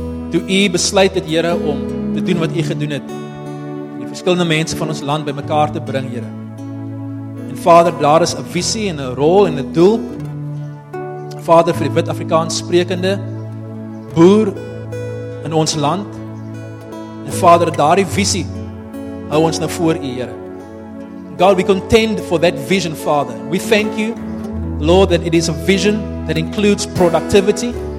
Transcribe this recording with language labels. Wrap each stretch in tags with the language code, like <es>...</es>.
<af>Toe U besluit het, Here, om te doen wat U gedoen het, die verskillende mense van ons land by mekaar te bring, Here. En Vader, daar is 'n visie en 'n rol en 'n doel. Vader, vir die wit Afrikaans sprekende boer in ons land. En Vader, daardie visie hou ons nou voor U, Here.</af> <en>God, we contend for that vision, Father. We thank You, Lord, that it is a vision that includes productivity.</en>